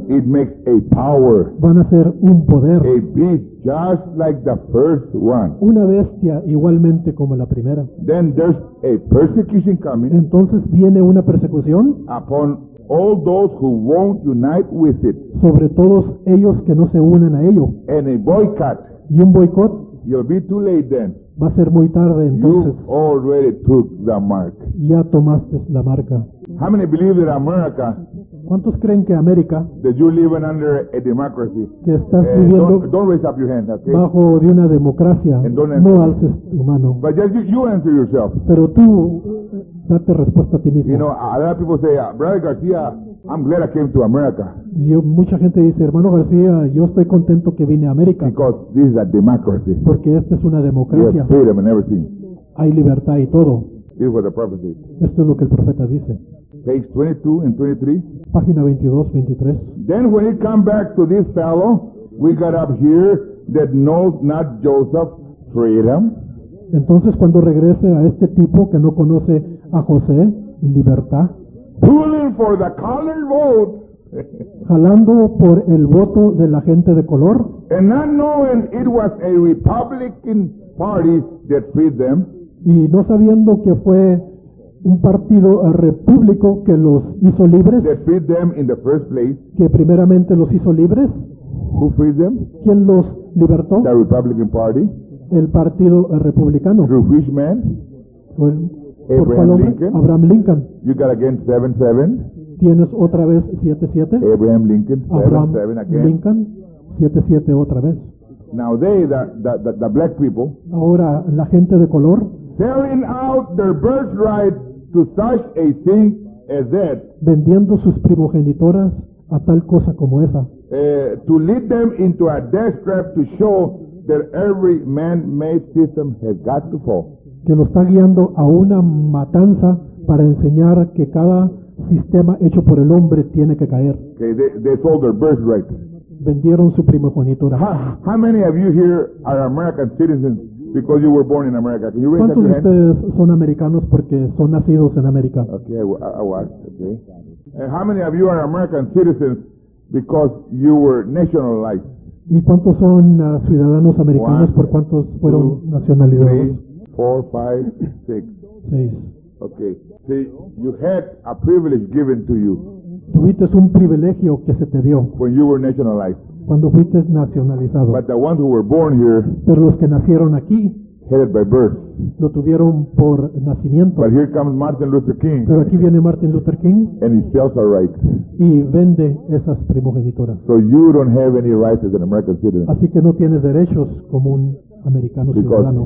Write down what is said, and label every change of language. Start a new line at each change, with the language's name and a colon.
English: It makes a power.
Spanish: Van a hacer un poder.
English: A beast just like the first one.
Spanish: Una bestia igualmente como la primera.
English: Then there's a persecution coming.
Spanish: Entonces viene una persecución.
English: Upon all those who won't unite with it.
Spanish: Sobre todos ellos que no se unen a ello.
English: And a boycott.
Spanish: Y un boicot.
English: You'll be too late then.
Spanish: Va a ser muy tarde entonces.
English: You already took the mark.
Spanish: Ya tomaste la marca.
English: How many believe that America?
Spanish: ¿Cuántos creen que América?
English: That you're living under a democracy.
Spanish: Que estás viviendo.
English: Don't raise up your hand, okay?
Spanish: Bajo de una democracia.
English: And don't
Spanish: no alces tu mano.
English: But just you answer yourself.
Spanish: Pero tú date respuesta a ti mismo.
English: You know, a lot of people say, Brother Garcia, I'm glad I came to America.
Spanish: Yo, mucha gente dice, hermano García, yo estoy contento que vine a América.
English: Because this is a democracy.
Spanish: Porque esta es una democracia.
English: There's freedom and everything.
Spanish: Hay libertad y todo.
English: This is what the prophet says.
Spanish: Esto es lo que el profeta dice.
English: Page 22 and 23.
Spanish: Página 22, 23.
English: Then when it come back to this fellow, we got up here that knows not Joseph freedom.
Spanish: Entonces cuando regrese a este tipo que no conoce a José, libertad.
English: Pulling for the colored vote.
Spanish: Jalando por el voto de la gente de color.
English: And not knowing it was a Republican party that freed them.
Spanish: Y no sabiendo que fue un partido republicano que los hizo libres.
English: That freed them in the first place.
Spanish: Que primeramente los hizo libres.
English: Who freed them?
Spanish: ¿Quién los libertó?
English: The Republican party.
Spanish: el partido republicano.
English: Through which man? Well, Abraham Lincoln. Abraham Lincoln. You got again 7-7.
Spanish: Tienes otra vez 7-7.
English: Abraham Lincoln. 7-7 Abraham 7-7 again.
Spanish: Lincoln. 7-7 otra vez.
English: Now they, the black people.
Spanish: Ahora la gente de color.
English: Selling out their birthright to such a thing as that.
Spanish: Vendiendo sus primogenitoras a tal cosa como esa.
English: To lead them into a death trap to show that every man-made system has got to fall.
Spanish: Que lo está guiando a una matanza para enseñar que cada sistema hecho por el hombre tiene que caer.
English: Okay, they sold their birthright.
Spanish: Vendieron su primogenitura.
English: How many of you here are American citizens because you were born in America? Can you raise
Spanish: ¿Cuántos
English: up your
Spanish: ustedes
English: hand?
Spanish: Son americanos porque son nacidos en América?
English: Okay, I was. Okay. And how many of you are American citizens because you were nationalized?
Spanish: ¿Y cuántos son ciudadanos americanos por cuántos fueron nacionalizados?
English: 4, 5, 6. 6. Okay. See, you had a privilege given to you.
Spanish: Tuviste un privilegio que se te dio.
English: When you were nationalized.
Spanish: Cuando fuiste nacionalizado.
English: But the ones who were born here.
Spanish: Pero los que nacieron aquí.
English: Had it by birth.
Spanish: Lo tuvieron por nacimiento.
English: But here comes Martin Luther King.
Spanish: Pero aquí viene Martin Luther King.
English: And he sells our rights.
Spanish: Y vende esas primogenituras.
English: So you don't have any rights as an American citizen.
Spanish: Así que no tienes derechos como un americano ciudadano.